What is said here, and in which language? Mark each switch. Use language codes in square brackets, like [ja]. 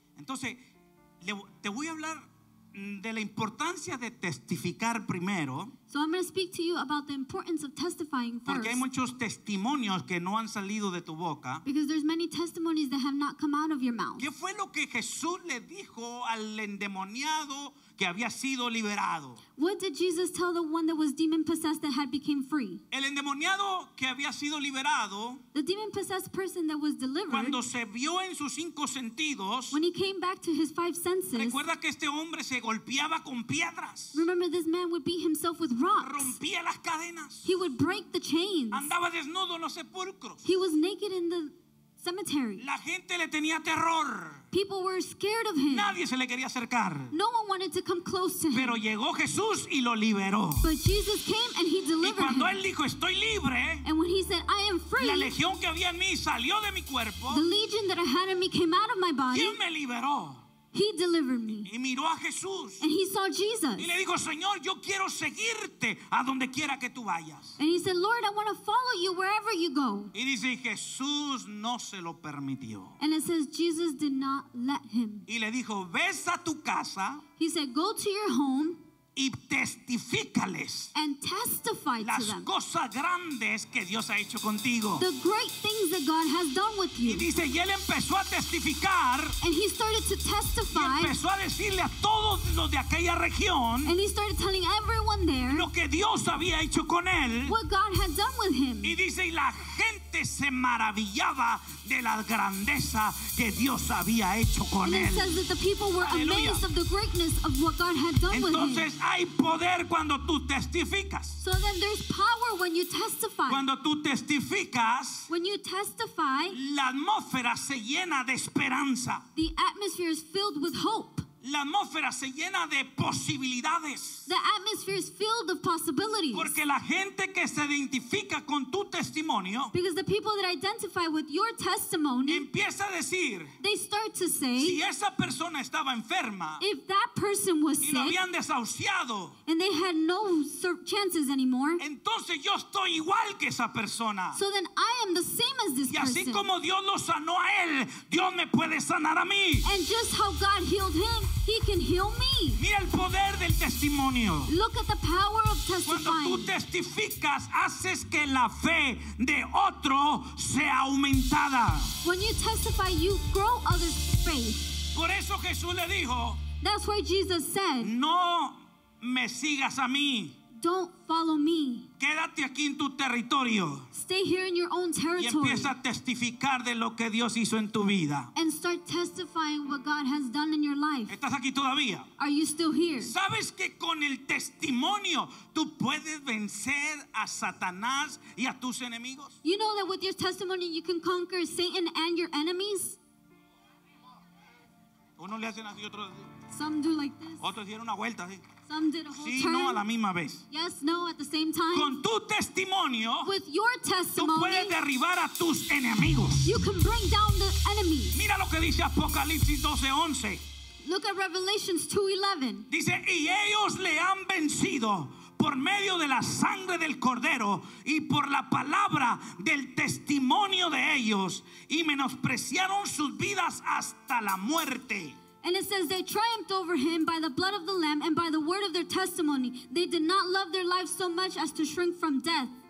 [es] Entonces, te voy a hablar de la importancia de testificar primero. [en] So I'm going to speak to you about the importance of testifying first. [es] Porque hay muchos testimonios que no han salido de tu boca. [en] Because there's many testimonies that have not come out of your mouth. [es] ¿Qué fue lo que Jesús le dijo al endemoniado que había sido liberado? [en] What did Jesus tell the one that was demon possessed that had became free? [es] El endemoniado que había sido liberado, [en] the demon possessed person that was delivered, [es] cuando se vio en sus cinco sentidos, [en] when he came back to his five senses, [es] recuerda que este hombre se golpeaba con piedras. [en] Remember, this man would beat himself with rocks. [es] Rompía las cadenas. [en] He would break the chains. [es] Andaba desnudo en los sepulcros. [en] He was naked in the cemetery. [es] La gente le tenía terror. [en] People were scared of him. [es] Nadie se le quería acercar. [en] No one wanted to come close to him. [es] Pero llegó Jesús y lo liberó. [en] But Jesus came and he delivered him. [es] Y cuando él dijo, "Estoy libre," [en] and when he said, "I am free," [es] la legión que había en mí salió de mi cuerpo. [en] The legion that I had in me came out of my body. [es] ¿Quién me liberó? [en] He delivered me. [es] Y miró a Jesús. [en] And he saw Jesus. [es] Y le dijo, "Señor, yo quiero seguirte a donde quiera que tú vayas." [en] And he said, "Lord, I want to follow you wherever you go." [es] Y dice, Jesús no se lo permitió. [en] And it says Jesus did not let him. [es] Y le dijo, "Ves a tu casa." [en] He said, "Go to your home." [es] Y testifícales. [en] And testify to them. [es] Las cosas grandes que Dios ha hecho contigo. [en] The great things that God has done with you. [es] Y dice, y él empezó a testificar. [en] And he started to testify. [es] Y empezó a decirle a todos los de aquella región. [en] And he started telling everyone there. [es] Lo que Dios había hecho con él. [en] What God had done with him. [es] Y dice, y la gente se maravillaba de la grandeza que Dios había hecho con él. [en] And it says that the people were [es] Aleluya. [en] Amazed of the greatness of what God had done [es] Entonces, [en] with him. [es] Entonces, hay poder cuando tú testificas. [en] So then there's power when you testify. [es] Cuando tú testificas, [en] when you testify, [es] la atmósfera se llena de esperanza. [en] The atmosphere is filled with hope. [es] La atmósfera se llena de posibilidades. [en] The atmosphere is filled of possibilities. [es] Porque la gente que se identifica con tu testimonio, [en] because the people that identify with your testimony, [es] empieza a decir, [en] they start to say, [es] si esa persona estaba enferma, [en] if that person was sick, [es] y lo habían desahuciado, [en] and they had no chances anymore, [es] entonces yo estoy igual que esa persona. [en] So then I am the same as this person. [es] Y así como Dios lo sanó a él, Dios me puede sanar a mí. [en] And just how God healed him, he can heal me. [es] Mira el poder del testimonio. [en] Look at the power of testifying. [es] Cuando tú testificas, haces que la fe de otro sea aumentada. [en] When you testify, you grow others' faith. [es] Por eso Jesús le dijo, [en] that's why Jesus said, [es] no me sigas a mí. [en] Don't follow me. [es] Quédate aquí en tu territorio. [en] Stay here in your own territory. [es] Y empieza a testificar de lo que Dios hizo en tu vida. [en] And start testifying what God has done in your life. [es] ¿Estás aquí todavía? [en] Are you still here? [es] ¿Sabes que con el testimonio tú puedes vencer a Satanás y a tus enemigos? [en] You know that with your testimony you can conquer Satan and your enemies? [es] Uno le hacen así, otro [en] some do like this. [es] Otros dieron una vuelta así. [en] Some did a whole [es] sí, [en] turn. [es] No, a la misma vez. [en] Yes, no, at the same time. [es] Con tu testimonio, [en] with your testimony, [es] tú puedes derribar a tus enemigos. [en] You can bring down the enemies. [es] Mira lo que dice Apocalipsis 12:11. [en] Look at Revelation 2:11. [es] Dice, y ellos le han vencido por medio de la sangre del cordero y por la palabra del testimonio de ellos y menospreciaron sus vidas hasta la muerte. [en] And it says they triumphed over him by the blood of the Lamb and by the word of their testimony. They did not love their lives so much as to shrink from death.